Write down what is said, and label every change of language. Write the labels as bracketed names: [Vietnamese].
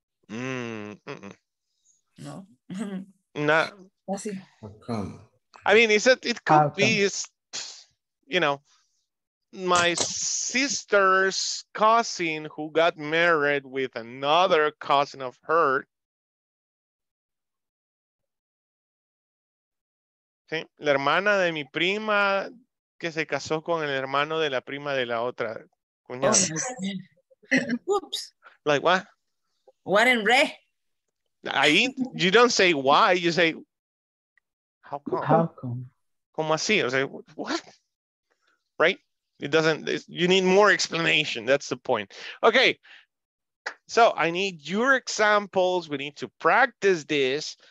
[English] I mean, is it could be, is, you know, my sister's cousin who got married with another cousin of her. [Spanish] Sí. La hermana de mi prima que se casó con el hermano de la prima de la otra cuñada. Oops. [English] Like what? What in re? You don't say why, you say how come? How come? [Spanish] Como así? [English] I say, what? Right? You need more explanation. That's the point. Okay. So I need your examples. We need to practice this.